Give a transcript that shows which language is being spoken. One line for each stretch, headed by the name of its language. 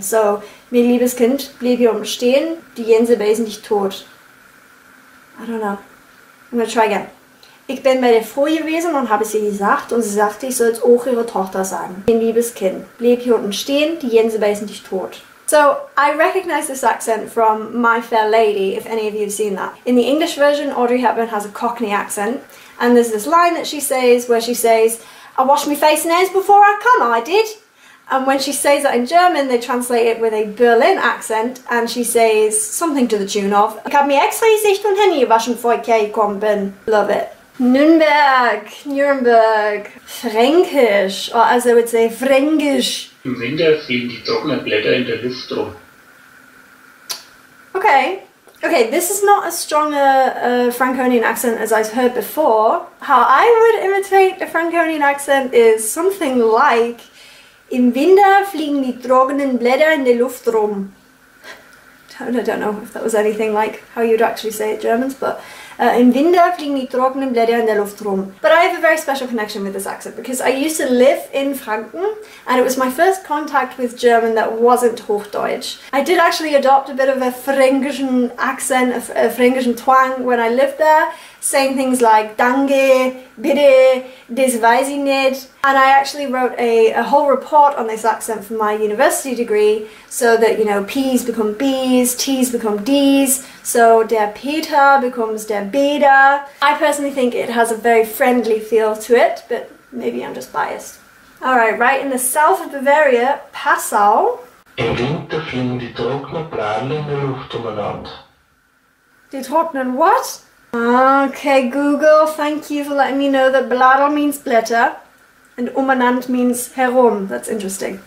German: So, mein liebes Kind, bleib hier oben stehen, die Jense beißen dich tot.
English: I don't know. I'm gonna try again.
German: Ich bin bei der Frau gewesen und habe sie gesagt und sie sagte, ich soll es auch ihre Tochter sagen. Mein liebes Kind, bleib hier unten stehen, die Jense beißen dich tot.
English: So, I recognize this accent from My Fair Lady, if any of you have seen that. In the English version, Audrey Hepburn has a Cockney accent. And there's this line that she says, where she says, I wash my face and ears before I come, I did. And when she says that in German, they translate it with a Berlin accent, and she says something to the tune of,
German: ich habe mir extra Gesicht und Hände gewaschen, bevor ich gekommen bin.
English: Love it. Nürnberg, Nürnberg, Fränkisch, or as they would say, Fränkisch.
German: Im Winter fliegen die trockenen Blätter in der Luft rum.
English: Okay. Okay, this is not as strong a Franconian accent as I've heard before. How I would imitate a Franconian accent is something like
German: Im Winter fliegen die trockenen Blätter in der Luft rum.
English: I don't know if that was anything like how you'd actually say it in German, but
German: Im Winter fliegen die trockenen Blätter in der Luft rum.
English: But I have a very special connection with this accent because I used to live in Franken and it was my first contact with German that wasn't Hochdeutsch. I did actually adopt a bit of a Fränkischen accent, a Fränkischen twang when I lived there, saying things like
German: Danke, bitte, das weiß ich nicht.
English: And I actually wrote a whole report on this accent for my university degree so that, you know, P's become B's, T's become D's. So, der Peter becomes der Beda. I personally think it has a very friendly feel to it, but maybe I'm just biased. Alright, right in the south of Bavaria, Passau.
German: Im Winter fliegen die trockenen Blätter in der Luft umeinander. Die trockenen
English: what? Okay, Google, thank you for letting me know that Blätter means blätter and umeinander means herum. That's interesting.